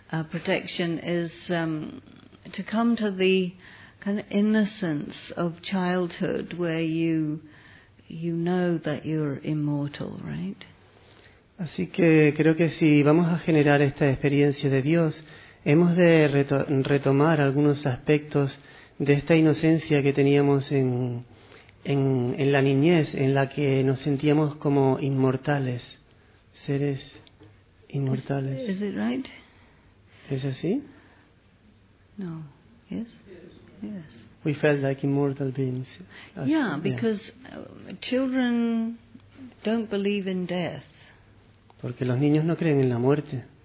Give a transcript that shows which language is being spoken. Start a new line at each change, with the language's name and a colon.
English: Protection is to come to the kind of innocence of childhood, where you know that you're immortal, right?
Spanish: Así que creo que si vamos a generar esta experiencia de Dios, hemos de retomar algunos aspectos de esta inocencia que teníamos en la niñez, en la que nos sentíamos como inmortales, seres inmortales.
English: Is it right?
Spanish: ¿Es así?
English: No. Yes. Yes. We felt like immortal beings. Yeah, because children don't believe in death.
Spanish: Porque los niños no creen en la muerte.